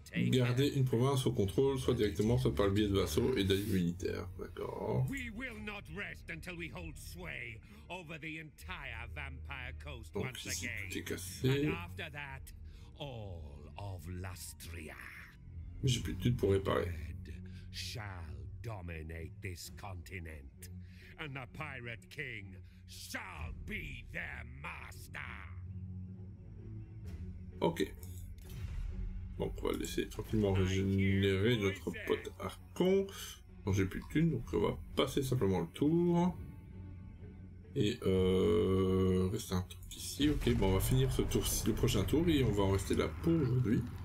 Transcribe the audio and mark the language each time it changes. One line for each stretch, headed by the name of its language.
French: Garder une province au contrôle, soit directement, soit par le biais de vassaux et d'alliés militaires. D'accord.
English: We will not rest until we hold sway over the entire Vampire Coast once again.
French: Donc, ici, tout est cassé.
English: After that, all of Lustria.
French: J'ai plus de tout pour réparer.
English: Shall dominate this continent, and the pirate king shall be their master.
French: Ok. Donc on va laisser tranquillement régénérer notre pote Archon. Bon, j'ai plus de thunes, donc on va passer simplement le tour. Et rester un truc ici. Ok, bon on va finir ce tour, le prochain tour et on va en rester là pour aujourd'hui.